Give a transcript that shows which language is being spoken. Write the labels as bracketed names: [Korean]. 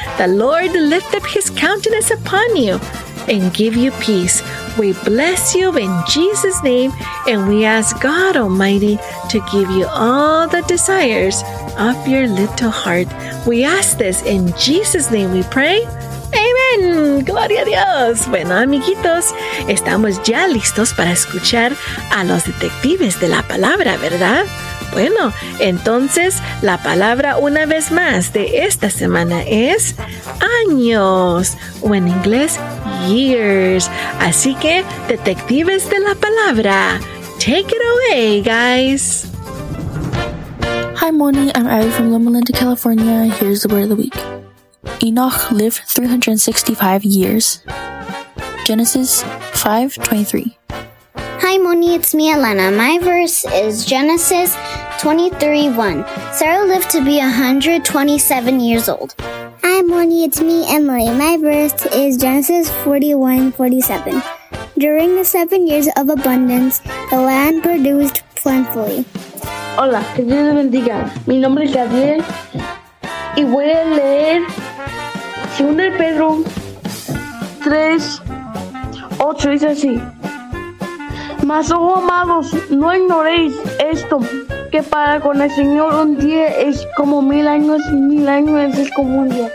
[English] The Lord lift up his countenance upon you and give you peace. We bless you in Jesus' name, and we ask God Almighty to give you all the desires of your little heart. We ask this in Jesus' name we pray. [Spanish] Amen. Gloria a Dios. Bueno, amiguitos, estamos ya listos para escuchar a los detectives de la palabra, ¿verdad? Bueno, entonces la palabra una vez más de esta semana es años, o en inglés years. Así que, detectives de la palabra, [English] take it away, guys. Hi, Moni. I'm Ari from Loma Linda, California. Here's the word of the week. Enoch lived 365 years. Genesis 5:23. Hi, Moni. It's me, Elena. My verse is Genesis 23:1. Sarah lived to be 127 years old. Hi, Moni. It's me, Emily. My verse is Genesis 41:47. During the 7 years of abundance, the land produced plentifully. [Spanish] Hola, que Dios bendiga. Mi nombre es Gabriel y voy a leer 2 Pedro 3:8. Dice así: Mas, oh amados, no ignoréis esto, que para con el Señor un día es como mil años y mil años es como un día.